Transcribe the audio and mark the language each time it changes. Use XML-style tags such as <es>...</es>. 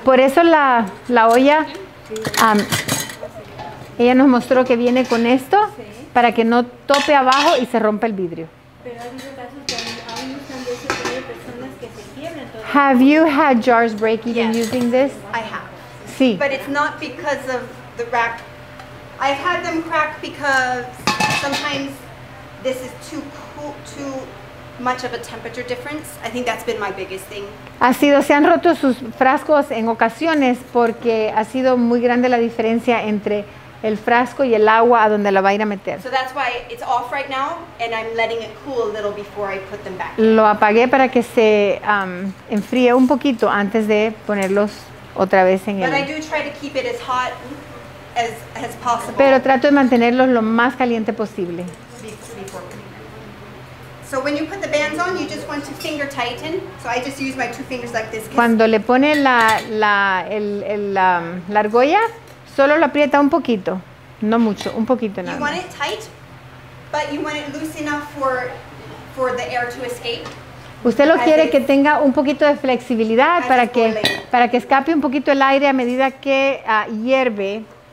<es>Por eso la olla, ella nos mostró que viene con esto para que no tope abajo y se rompa el vidrio.</es> <en>Have you had jars break even using this? I have.</en> <es>Sí.</es> <en>But it's not because of the rack. I've had them crack because sometimes this is too cool, too much of a temperature difference. I think that's been my biggest thing.</en> <es>Se han roto sus frascos en ocasiones porque ha sido muy grande la diferencia entre el frasco y el agua a donde la va a ir a meter.</es> <en>So that's why it's off right now and I'm letting it cool a little before I put them back.</en> <es>Lo apagué para que se enfríe un poquito antes de ponerlos otra vez en</es> <en>But I do try to keep it as hot as possible.</en> <es>Pero trato de mantenerlos lo más caliente posible.</es> <en>So when you put the bands on, you just want to finger tighten. So I just use my two fingers like this.</en> <es>Cuando le pone la argolla, solo lo aprieta un poquito, no mucho, un poquito nada.</es> <en>You want it tight, but you want it loose enough for the air to escape.</en> <es>Usted lo quiere que tenga un poquito de flexibilidad para que escape un poquito el aire a medida que hierve.</es>